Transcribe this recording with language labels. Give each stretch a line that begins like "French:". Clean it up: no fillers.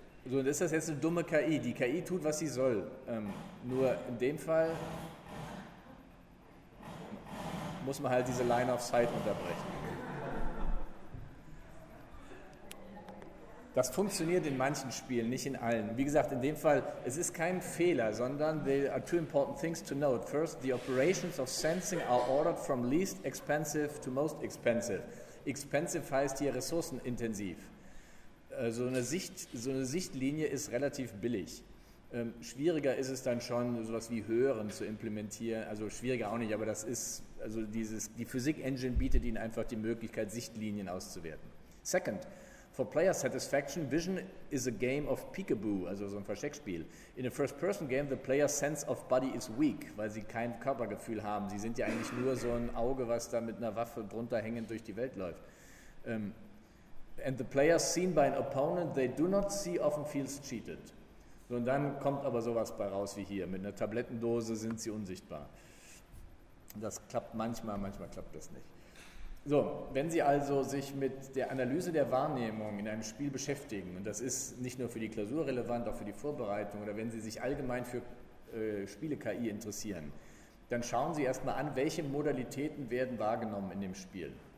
German: So, und ist das jetzt eine dumme KI? Die KI tut, was sie soll. Nur in dem Fall muss man halt diese Line of Sight unterbrechen. Das funktioniert in manchen Spielen, nicht in allen. Wie gesagt, in dem Fall, es ist kein Fehler, sondern
English: there are two important things to note. First, the operations of sensing are ordered from least expensive to most expensive.
German: Expensive heißt hier ressourcenintensiv. So eine Sichtlinie ist relativ billig. Schwieriger ist es dann schon, sowas wie Hören zu implementieren. Also schwieriger auch nicht, aber das ist, also dieses, die Physik-Engine bietet Ihnen einfach die Möglichkeit, Sichtlinien auszuwerten.
English: Second, for player satisfaction, vision is a game of peekaboo,
German: also so ein Versteckspiel.
English: In a first-person-game, the player's sense of body is weak,
German: weil sie kein Körpergefühl haben. Sie sind ja eigentlich nur so ein Auge, was da mit einer Waffe drunter hängend durch die Welt läuft.
English: And the player seen by an opponent they do not see often feels cheated.
German: So, und dann kommt aber sowas bei raus wie hier. Mit einer Tablettendose sind sie unsichtbar. Das klappt manchmal, manchmal klappt das nicht. So, wenn Sie also sich mit der Analyse der Wahrnehmung in einem Spiel beschäftigen, und das ist nicht nur für die Klausur relevant, auch für die Vorbereitung, oder wenn Sie sich allgemein für Spiele-KI interessieren, dann schauen Sie erstmal an, welche Modalitäten werden wahrgenommen in dem Spiel.